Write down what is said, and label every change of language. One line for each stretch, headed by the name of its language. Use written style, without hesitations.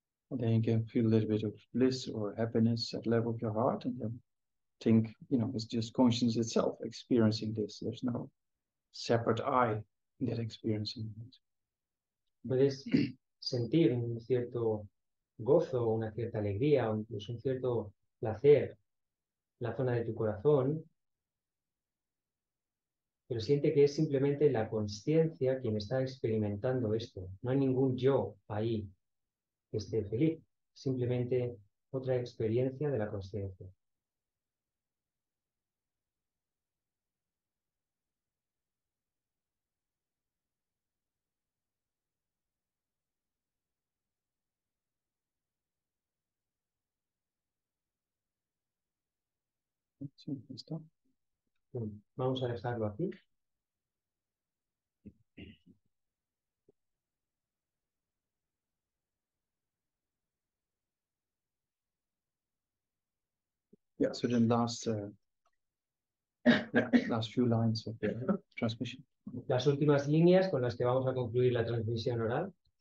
English: And then you can feel a little bit of bliss or happiness at the level of your heart, and then think, you know, it's just consciousness itself experiencing this. There's no separate I that experiencing it.
Spanish: Puedes sentir un cierto gozo, una cierta alegría, o incluso un cierto placer en la zona de tu corazón, pero siente que es simplemente la consciencia quien está experimentando esto. No hay ningún yo ahí que esté feliz, simplemente otra experiencia de la consciencia. Sí, listo. Vamos a dejarlo aquí.
English: Yeah, so then last few lines of the transmission.
Spanish: Las últimas líneas con las que vamos a concluir la transmisión oral.